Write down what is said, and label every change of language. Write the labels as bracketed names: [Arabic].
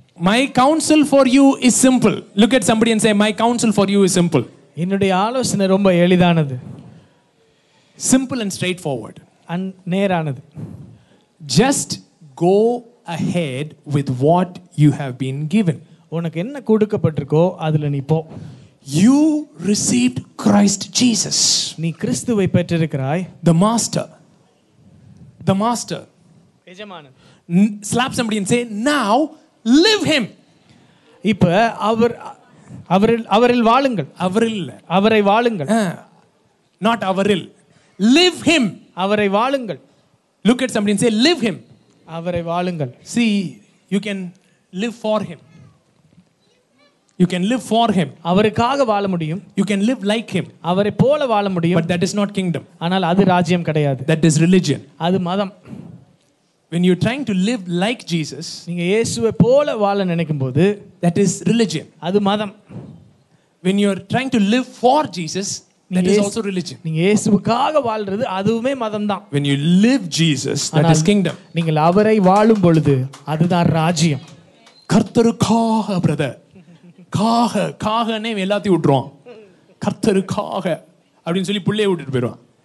[English] My counsel for you is simple. Look at somebody and say, my counsel for you is simple. [Tamil] என்னுடைய ஆலோசனை ரொம்ப எளிதானது. [English] Simple and straightforward. And [Tamil] நேரானது. [English] Just go ahead with what you have been given. [Tamil] உனக்கு என்ன கொடுக்கப்பட்டிருக்கோ அதுல நீ போ. [English] You received Christ Jesus. [Tamil] நீ கிறிஸ்துவை பெற்றிருக்கிறாய். [English] The master. The master. [Tamil] எஜமானன். [English] Slap somebody and say, now live him. [Tamil] இப்ப அவர் அவரில் அவரில் வாழுங்கள். அவரில் அவரை வாழுங்கள். [English] Not [Tamil] அவரில், [English] live him. [Tamil] அவரை வாழுங்கள். [English] Look at somebody and say, live him. [Tamil] அவரை வாழுங்கள். [English] See, you can live for him. You can live for him. [Tamil] அவருக்காக வாழ முடியும். [English] You can live like him. [Tamil] அவரை போல வாழ முடியும். [English] But that is not kingdom. [Tamil] ஆனால் அது ராஜ்யம் கிடையாது. [English] That is religion. [Tamil] அது மதம். [English] When you're trying to live like Jesus, [Tamil] நீங்க இயேசுவை போல வாழ நினைக்கும்போது, [English] that is religion. [Tamil] அது மதம். [English] When you're trying to live for Jesus, that is also religion. [Tamil] நீங்க இயேசுவுக்காக வாழ்றது அதுவுமே மதம்தான். [English] When you live Jesus, that is kingdom. [Tamil] நீங்க அவரை வாழும் பொழுது அதுதான் ராஜ்யம். கர்த்தருக்காக பிரதர். காக காகனே எல்லாத்தையும் விட்டுருவோம். கர்த்தருக்காக அப்படின்னு சொல்லி புள்ளைய விட்டுட்டு போயிடுவான்.